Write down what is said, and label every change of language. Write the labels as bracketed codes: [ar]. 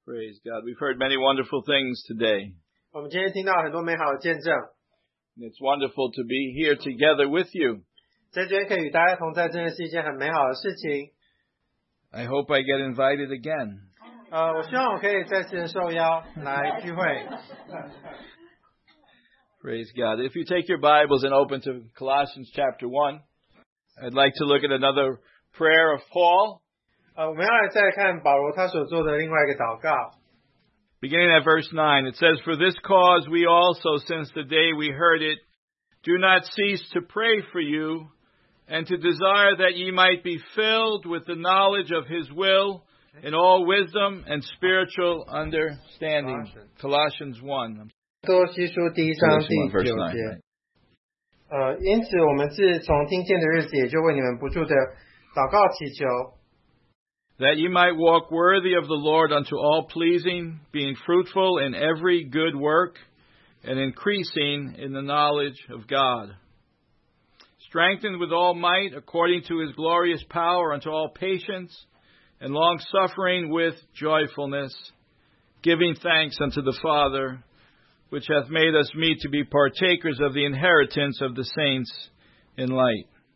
[zh] 我们今天听到很多美好的见证。 [en] It's wonderful to be here together with you. [zh] 在这边可以与大家同在，真的是一件很美好的事情。 [en] I hope I get invited again. [zh] 我希望我可以再次受邀来聚会。 [en] Praise God. If you take your Bibles and open to Colossians chapter 1, I'd like to look at another prayer of Paul. [zh] 我们要来再看保罗他所做的另外一个祷告。 [en] Beginning at verse 9, it says, For this cause we also, since the day we heard it, do not cease to pray for you, and to desire that ye might be filled with the knowledge of his will, in all wisdom and spiritual understanding. Colossians 1. [zh] 多西书第一章第九节。因此我们自从听见的日子，也就为你们不住的祷告祈求。 [en] That ye might walk worthy of the Lord unto all pleasing, being fruitful in every good work, and increasing in the knowledge of God. Strengthened with all might, according to his glorious power, unto all patience and long-suffering with joyfulness, giving thanks unto the Father, which hath made us meet to be partakers of the inheritance of the saints in light.